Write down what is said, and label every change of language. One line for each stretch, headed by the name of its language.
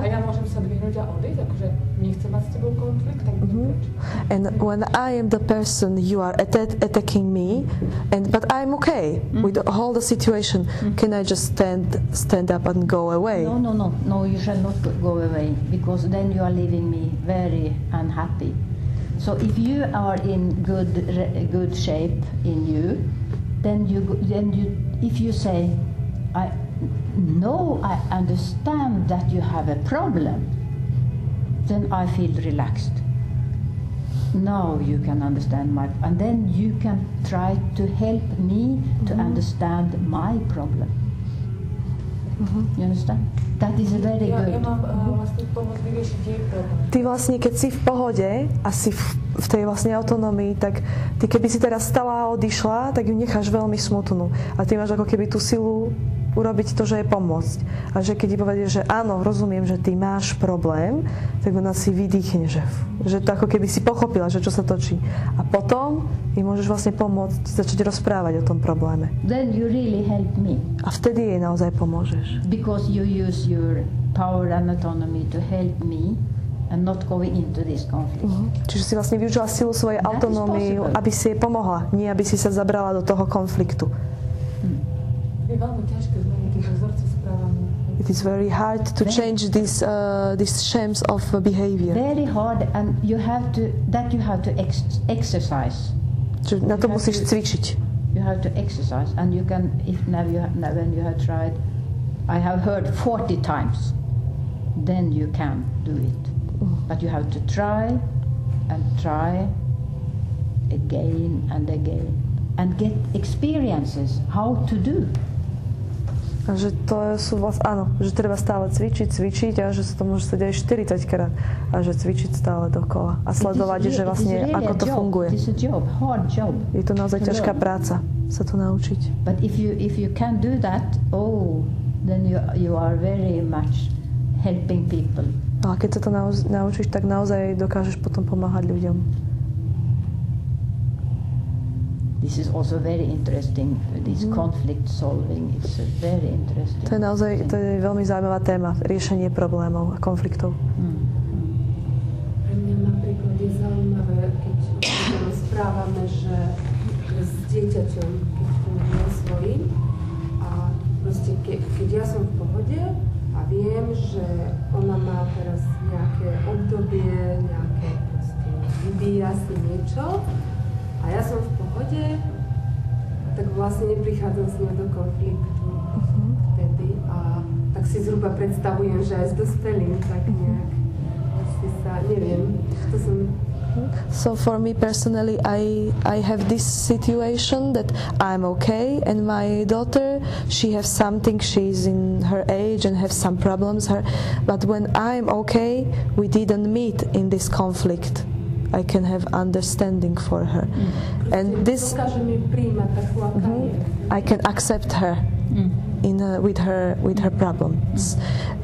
Slovak: A ja môžem sa dvihnúť a odejť, akože nechcem mať s tebou konflikt, tak idem preč.
English: And when I am the person you are attacking me, but I'm okay with the whole situation, can I just stand up and go away? No, you shall not go away, because then you are leaving me very unhappy. So if you are in good shape in you, then you, if you say, No, I understand that you have a problem. Then I feel relaxed. now you can understand my, and then you can try to help me to understand my problem. You understand? That is very good.
Slovak: Ja mám vlastne pomôcť vyriešiť jej problém. Ty vlastne, keď si v pohode a si v tej vlastne autonomii, tak ty keby si teraz stala a odišla, tak ju necháš veľmi smutnú. A ty máš ako keby tú silu urobiť to, že je pomôcť. A že keď ti povedie, že áno, rozumiem, že ty máš problém, tak ona si vydýchne, že to ako keby si pochopila, že čo sa točí. A potom im môžeš vlastne pomôcť začať rozprávať o tom probléme.
English: Then you really help me.
Slovak: A vtedy jej naozaj pomôžeš.
English: Because you use your power and autonomy to help me and not go into this conflict. Uh-huh.
Slovak: Čiže si vlastne využila silu svojej autonómie, aby si jej pomohla, nie aby si sa zabrala do toho konfliktu. Je veľmi ťažké zmeniť tie vzorce správania.
English: It is very hard to change this shames of behavior. Very hard, and you have to, that you have to exercise.
Slovak: Čiže na to musíš cvičiť.
English: You have to exercise, and you can, if never you have, when you have tried, I have heard 40 times, then you can do it. But you have to try and try again and again and get experiences how to do.
Slovak: A že to sú vlastne, áno, že treba stále cvičiť a že sa to môže stať aj 40 krát a že cvičiť stále dokola a sledovať, že vlastne
English: really
Slovak: ako to funguje.
English: It's a job, hard job.
Slovak: Je to naozaj ťažká práca sa to naučiť.
English: But if you can do that, oh, then you are very much helping people.
Slovak: No a keď sa to naučíš, tak naozaj dokážeš potom pomáhať ľuďom.
English: This is also very interesting, this conflict solving, it's a very interesting.
Slovak: To je naozaj, to je veľmi zaujímavá téma, riešenie problémov a konfliktov. Pre mňa napríklad je zaujímavé, keď rozprávame, že s dieťaťom, keď funguje svojím, a proste keď ja som v pohode a viem, že ona má teraz nejaké obdobie, nejaké proste vybíja si niečo, a ja som v pohode, tak vlastne neprichádzam s ňou do konfliktu vtedy. A tak si zhruba predstavujem, že aj s dospelým, tak nejak asi sa, neviem, to som...
English: So for me personally, I have this situation that I'm okay, and my daughter, she has something, she's in her age and have some problems. But when I'm okay, we didn't meet in this conflict. I can have understanding for her. Mm. And this, I can accept her with her problems. Mm.